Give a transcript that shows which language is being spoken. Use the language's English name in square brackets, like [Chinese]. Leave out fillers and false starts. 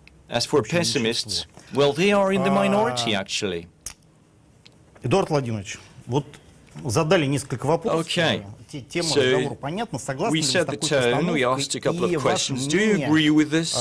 [English] As for pessimists, well, they are in the minority, actually. [Russian] Эдуард Владимирович, вот задали несколько вопросов. [English] Okay. So, we set the tone, we asked a couple of questions. Do you agree with this?